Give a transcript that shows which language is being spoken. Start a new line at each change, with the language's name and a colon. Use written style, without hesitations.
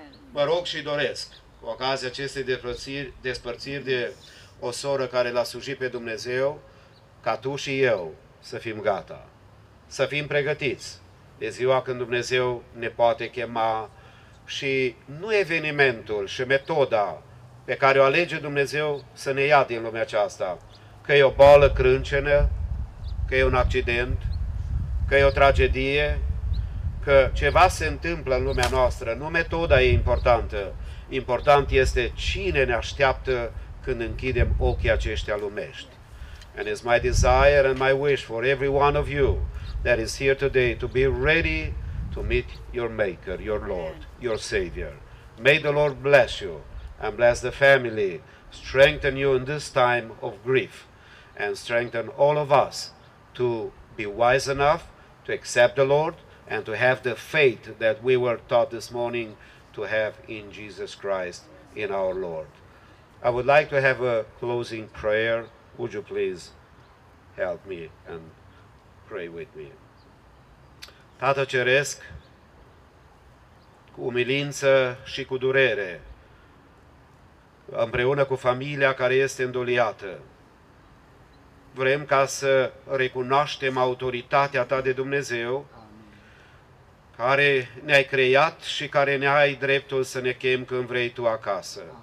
Romanian: Mă rog și doresc, cu ocazia acestei despărțiri de o soră care l-a slujit pe Dumnezeu, ca tu și eu să fim gata, să fim pregătiți de ziua când Dumnezeu ne poate chema și nu evenimentul și metoda pe care o alege Dumnezeu să ne ia din lumea aceasta, că e o boală crâncenă, că e un accident, că e o tragedie, că ceva se întâmplă în lumea noastră, nu metoda e importantă. Important este cine ne așteaptă când închidem ochii aceștia lumești.
English: And it's my desire and my wish for every one of you that is here today to be ready to meet your Maker, your Lord, your Savior. May the Lord bless you and bless the family, strengthen you in this time of grief, and strengthen all of us to be wise enough to accept the Lord and to have the faith that we were taught this morning to have in Jesus Christ, in our Lord. I would like to have a closing prayer. Would you please help me and pray with me?
Romanian: Tată Ceresc, cu umilință și cu durere, împreună cu familia care este îndoliată, vrem ca să recunoaștem autoritatea Ta de Dumnezeu, care ne-ai creat și care ne-ai dreptul să ne chem când vrei Tu acasă.